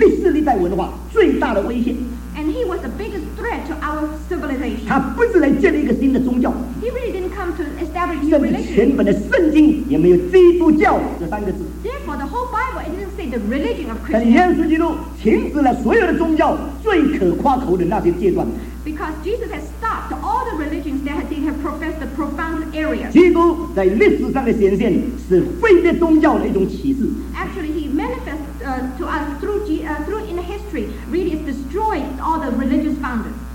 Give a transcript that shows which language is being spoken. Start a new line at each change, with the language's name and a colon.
Chinese: 但是他乃是一个当代文化中历史历代文化最大的威胁。
English: And he was the biggest threat to our civilization.
Chinese: 他不是来建立一个新的宗教。
English: He really didn't come to establish new religion.
Chinese: 甚至全本的圣经也没有基督教这三个字。
English: Therefore, the whole Bible didn't say the religion of Christianity.
Chinese: 但耶稣基督停止了所有的宗教最可夸口的那些阶段。
English: Because Jesus has stopped all the religions that they have professed the profound areas.
Chinese: 基督在历史上的显现是毁灭宗教的一种启示。
English: Actually, he manifests to us through in history, really is destroyed all the religious founders.